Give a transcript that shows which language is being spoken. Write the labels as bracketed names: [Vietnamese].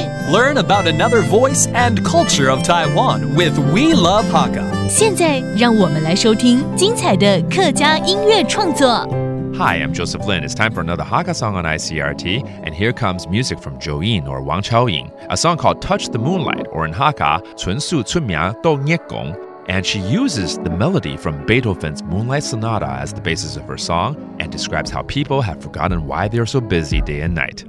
[English] Learn about another voice and culture of Taiwan with We Love Hakka. [Chinese] 现在让我们来收听精彩的客家音乐创作。 [English] Hi, I'm Joseph Lin. It's time for another Hakka song on ICRT. And here comes music from 喬尹or 王喬尹, a song called Touch the Moonlight, or in Hakka, 純素春明到月光。 And she uses the melody from Beethoven's Moonlight Sonata as the basis of her song and describes how people have forgotten why they are so busy day and night.